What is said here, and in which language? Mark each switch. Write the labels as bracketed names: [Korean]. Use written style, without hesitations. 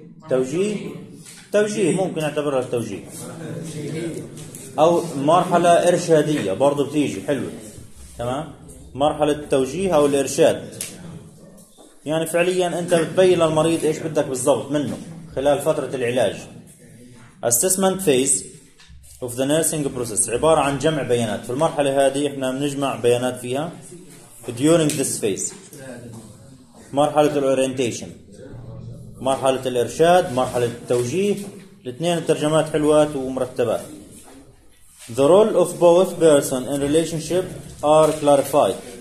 [Arabic] توجيه، توجيه ممكن اعتبرها التوجيه. أو مرحلة إرشادية برضو بتيجي حلوة. تمام، مرحلة التوجيه أو الإرشاد، يعني فعليا أنت بتبين للمريض إيش بدك بالضبط منه خلال فترة العلاج. [English] assessment phase of the nursing process [Arabic] عبارة عن جمع بيانات. في المرحلة هذه إحنا بنجمع بيانات فيها [English] during this phase. [Arabic] مرحلة الorientation، مرحلة الإرشاد، مرحلة التوجيه، الاثنين الترجمات حلوات ومرتبات. [English] The role of both person and relationship are clarified.